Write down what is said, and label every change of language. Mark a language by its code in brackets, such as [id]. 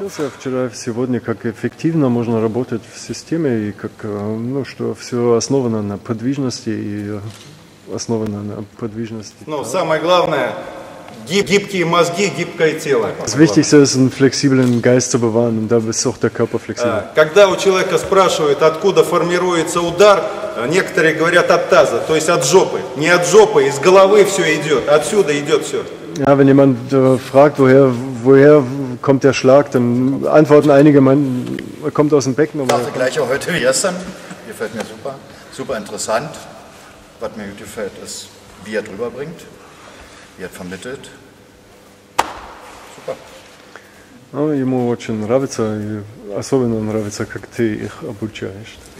[ru] Учился вчера сегодня, как эффективно можно работать в системе, и как, ну, что все основано на подвижности и основано на подвижности. Ну, самое главное, гибкие мозги, гибкое тело. [de] Das Wichtigste ist, einen flexiblen Geist zu bewahren, und da ist auch der Körper flexibel. [ru] Когда у человека спрашивают, откуда формируется удар, некоторые говорят от таза, то есть от жопы. Не от жопы, из головы все идет, отсюда идет все. [de] Ja, wenn jemand fragt, woher kommt der Schlag, dann antworten einige, man kommt aus dem Becken. Ich dachte gleich auch heute wie gestern, gefällt mir super, super interessant. Was mir gut gefällt, ist, wie drüber bringt. Vermittelt. Super. [ru] Ну, ему очень нравится, и особенно нравится, как ты их обучаешь.